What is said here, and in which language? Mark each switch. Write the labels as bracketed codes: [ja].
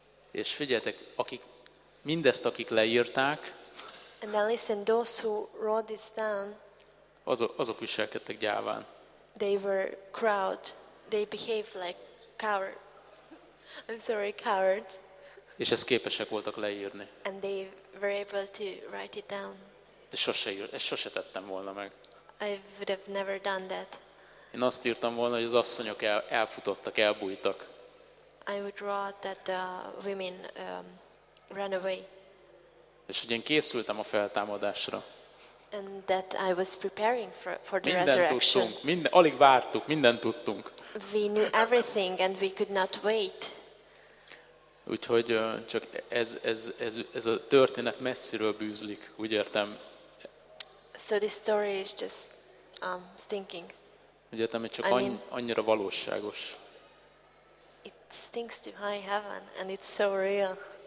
[hu] És figyeljetek, akik leírták. [en] And then listen, those who wrote this down. [hu] Azok viselkedtek gyáván. [en] They were crowd. They behaved like coward. I'm sorry, coward. [hu] És ezt képesek voltak leírni. [en] And they were able to write it down. [hu] De sose tettem volna meg. [en] I would have never done that. [hu] Én azt írtam volna, hogy az asszonyok elfutottak, elbújtak. [en] I would write that the women ran away. [hu] És hogy én készültem a feltámadásra. [en] And that I was preparing for the [hu] minden [en] resurrection. [hu] Tudtunk, minden, alig vártuk, mindent tudtunk. [en] We knew everything and we could not wait. [hu] Úgyhogy csak ez a történet messziről bűzlik, úgy értem. [en] So this story is just stinking. [hu] Úgy értem, hogy csak annyira valóságos. [en] It stinks to high heaven and it's so real.